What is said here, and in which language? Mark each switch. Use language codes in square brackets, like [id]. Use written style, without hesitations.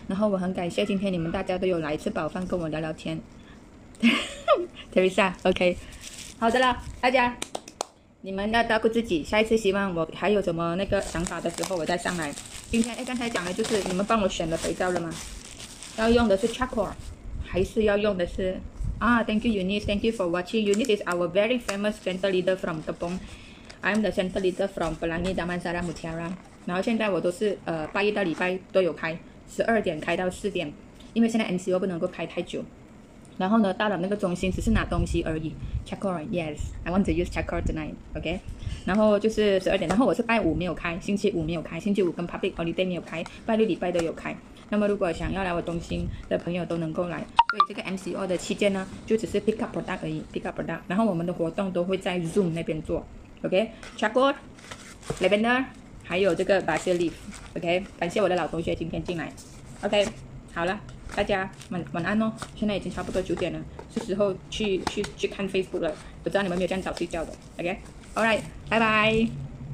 [zh] 然后我很感谢今天你们大家都有来吃饱饭跟我聊聊天Teresa OK， 好的了，大家你们要照顾自己，下一次希望我还有什么那个想法的时候我再上来。今天刚才讲的就是你们帮我选的肥皂了吗？要用的是 charcoal 还是要用的是 [en] Thank you Eunice, thank you for watching. Eunice is our very famous center leader from Gabon. I'm the center leader from Pelangi Damansara Mutiara. [zh] 然后现在我都是拜一到礼拜都有开，12点开到4点，因为现在 MCO 不能够开太久。然后呢，到了那个中心只是拿东西而已。 [en] Charcoal, yes, I want to use charcoal tonight, OK? [zh] 然后就是12点，然后我是拜五没有开，星期五没有开，星期五跟 public holiday 没有开，拜六礼拜都有开。那么如果想要来我中心的朋友都能够来。所以这个 MCO 的期间呢，就只是 pick up product 而已， pick up product。然后我们的活动都会在 Zoom 那边做， OK? [en] Charcoal, lavender, [zh] 还有这个 [en] basil leaf, OK? [zh] 感谢我的老同学今天进来， OK, 好了。大家晚安哦，现在已经差不多9点了，是时候去看 Facebook 了，不知道你们没有这样早睡觉的 OK? Alright, bye bye!